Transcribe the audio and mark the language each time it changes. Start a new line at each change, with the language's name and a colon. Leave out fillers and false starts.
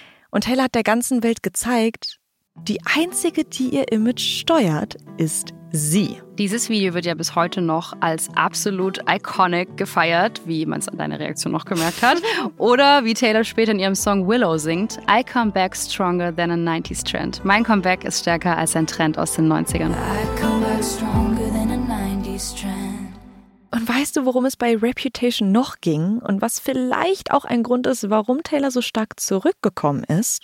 German: Und Taylor hat der ganzen Welt gezeigt, die Einzige, die ihr Image steuert, ist sie. Dieses Video wird ja bis heute noch als absolut iconic gefeiert, wie man es an deiner Reaktion noch gemerkt hat. Oder wie Taylor später in ihrem Song Willow singt,
English: I come back stronger than a 90s trend.
German: Mein Comeback ist stärker als ein Trend aus den 90ern.
English: I come back stronger than a 90s trend.
German: Und weißt du, worum es bei Reputation noch ging und was vielleicht auch ein Grund ist, warum Taylor so stark zurückgekommen ist?